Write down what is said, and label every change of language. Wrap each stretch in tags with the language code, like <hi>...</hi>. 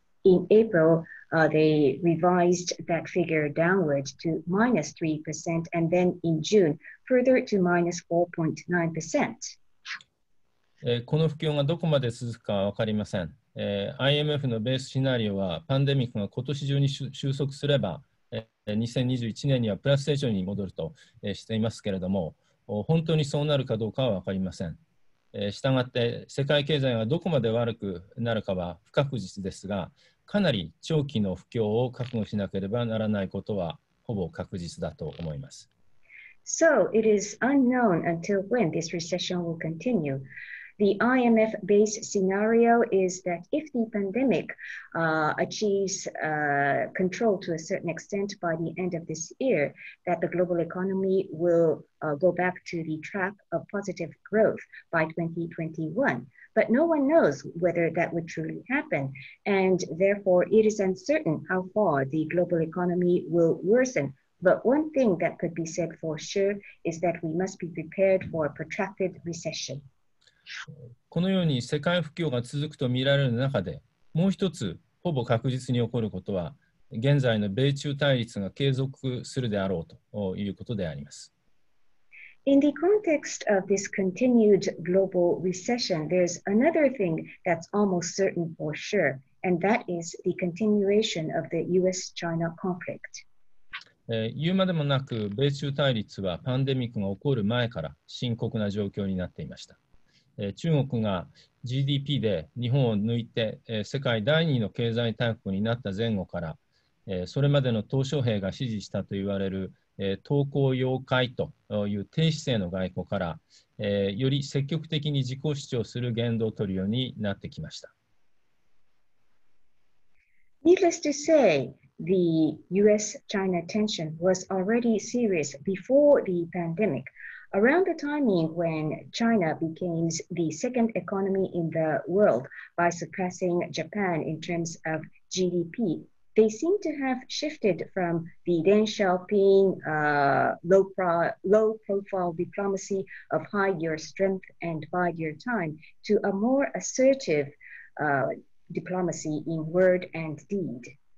<en>In April, they revised that figure downward to minus 3%, and then in June, further to minus 4.9%.</en> <ja>この不況がどこまで続くかは分かりません。IMF のベースシナリオは、パンデミックが今年中に収束すれば、2021年にはプラス成長に戻ると、していますけれども、本当にそうなるかどうかは分かりません。したがって、世界経済がどこまで悪くなるかは不確実ですが、かなり長期の不況を覚悟しなければならないことは、ほぼ確実だと思います。</ja> <en>So, it is unknown until when this recession will continue. The IMF base scenario is that if the pandemic achieves control to a certain extent by the end of this year, that the global economy will go back to the track of positive growth by 2021. But no one knows whether that would truly happen. And therefore, it is uncertain how far the global economy will worsen. But one thing that could be said for sure is that we must be prepared for a protracted recession.</en> <ja>このように世界不況が続くと見られる中で、もう一つほぼ確実に起こることは、現在の米中対立が継続するであろうということであります。</ja> <en>In the context of this continued global recession, there's another thing that's almost certain for sure, and that is the continuation of the US-China conflict.</en> <ja>言うまでもなく、米中対立はパンデミックが起こる前から深刻な状況になっていました。中国が GDP で日本を抜いて世界第二の経済大国になった前後から、それまでの小平が支持したといわれる投降妖怪という低姿勢の外交から、より積極的に自己主張する言動を取るようになってきました。</ja> <en>Needless to say, the US-China tension was already serious before the pandemic. Around the timing when China became the second economy in the world by surpassing Japan in terms of GDP, they seem to have shifted from the Deng Xiaoping low profile diplomacy of hide your strength and bide your time to a more assertive diplomacy in word and deed.</en>